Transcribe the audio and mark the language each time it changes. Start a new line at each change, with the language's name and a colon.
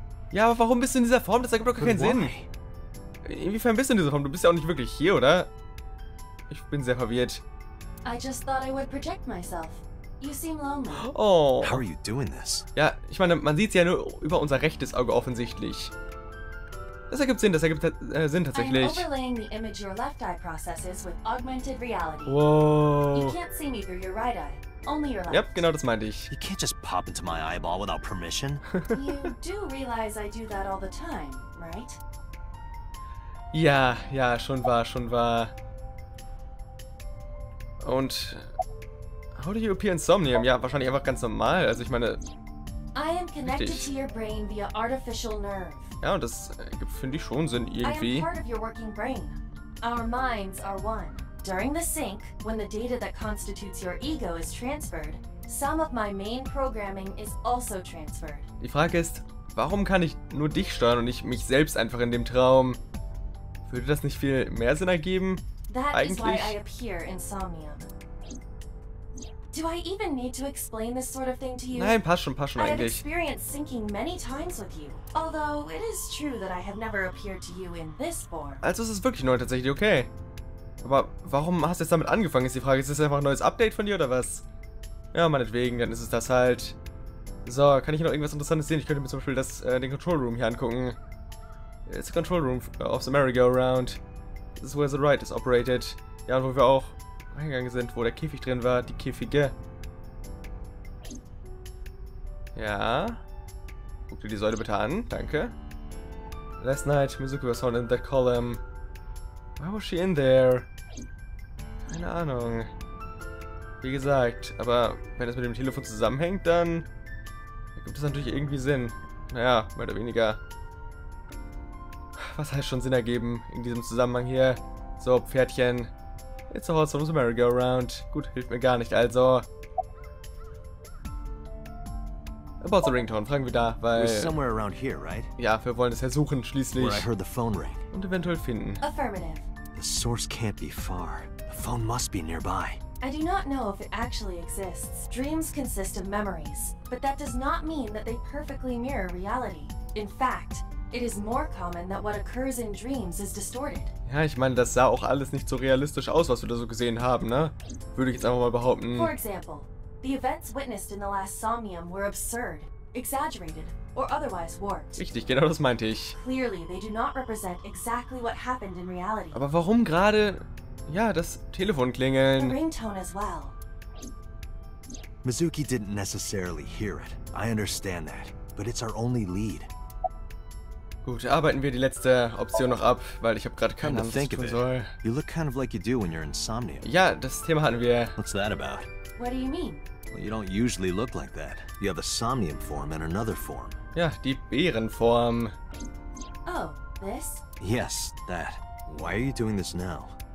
German: Ja, aber warum bist du in dieser Form? Das ergibt doch gar keinen Sinn. Inwiefern bist du in dieser Form? Du bist ja auch nicht wirklich hier, oder? Ich bin sehr verwirrt.
English: I just thought I would project myself. You seem lonely. Oh. How are you doing this?
German: Ja, ich meine, man sieht es ja nur über unser rechtes Auge offensichtlich. Das ergibt Sinn tatsächlich.
English: I'm overlaying the image your left eye processes with augmented reality. Whoa. You can't see me through your right eye. Only your left.
German: Yep, genau das meinte ich.
English: You can't just pop into my eyeball without permission. You do realize I do that all the time, right?
German: Ja, ja, schon wahr, schon wahr. Und
English: how do you appear insomnium?
German: Ja, wahrscheinlich einfach ganz normal. Also ich meine,
English: I am connected to your brain via artificial nerve.
German: Ja, und das finde ich schon Sinn irgendwie.
English: I am part of your working brain. Our minds are one. During the sync, when the data that constitutes your ego is transferred, some of my main programming is also transferred.
German: Die Frage ist, warum kann ich nur dich steuern und nicht mich selbst einfach in dem Traum? Würde das nicht viel mehr Sinn ergeben?
English: That
German: eigentlich?
English: Is why I appear insomnium. Do I even need to explain this sort of thing to you?
German: Nein, passt schon eigentlich.
English: I have experienced syncing many times with you. Although it is true that I have never appeared to you in this form.
German: Also es ist wirklich neu tatsächlich, okay. Aber warum hast du jetzt damit angefangen, ist die Frage. Ist das einfach ein neues Update von dir oder was? Ja, meinetwegen, dann ist es das halt. So, kann ich hier noch irgendwas Interessantes sehen? Ich könnte mir zum Beispiel das, den Control Room hier angucken.
English: It's the Control Room of the Merry-Go-Round. This is where the ride is operated.
German: Ja, wo wir auch reingegangen sind, wo der Käfig drin war, die Käfige. Ja. Guck dir die Säule bitte an, danke.
English: Last night, Mizuki was found in the column. Why was she in there?
German: Keine Ahnung. Wie gesagt, aber wenn das mit dem Telefon zusammenhängt, dann ergibt das natürlich irgendwie Sinn. Naja, mehr oder weniger. Was heißt schon Sinn ergeben in diesem Zusammenhang hier? So, Pferdchen.
English: It's a horse from the merry-go-round.
German: Gut, hilft mir gar nicht, also.
English: About the ringtone,
German: fragen wir da, weil...
English: We're somewhere around here, right?
German: Ja, wir wollen es ja suchen, schließlich.
English: Where I heard the phone ring.
German: Und eventuell finden.
English: Affirmative. The source can't be far. The phone must be nearby. I do not know if it actually exists. Dreams consist of memories. But that does not mean that they perfectly mirror reality. In fact, it is more common that what occurs in dreams is distorted.
German: Ja, ich meine, das sah auch alles nicht so realistisch aus, was wir da so gesehen haben, ne? Würde ich jetzt einfach mal behaupten.
English: For example, the events witnessed in the last somnium were absurd, exaggerated, or otherwise warped.
German: Richtig, genau das meinte ich.
English: Clearly, they do not represent exactly what happened in reality.
German: Aber warum gerade, ja, das Telefon klingeln?
English: The ringtone as well. Mizuki didn't necessarily hear it. I understand that, but it's our only lead.
German: Gut, arbeiten wir die letzte Option noch ab, weil ich habe gerade keine Ahnung, was ich tun soll.
English: You look kind of like you do when you're insomnia.
German: Ja, das Thema hatten wir.
English: What's that about? What do you mean? Well, you don't usually look like that. You have a somnium form and another form.
German: Ja, die Bärenform.
English: Oh, this? Yes, that. Why are you doing this now?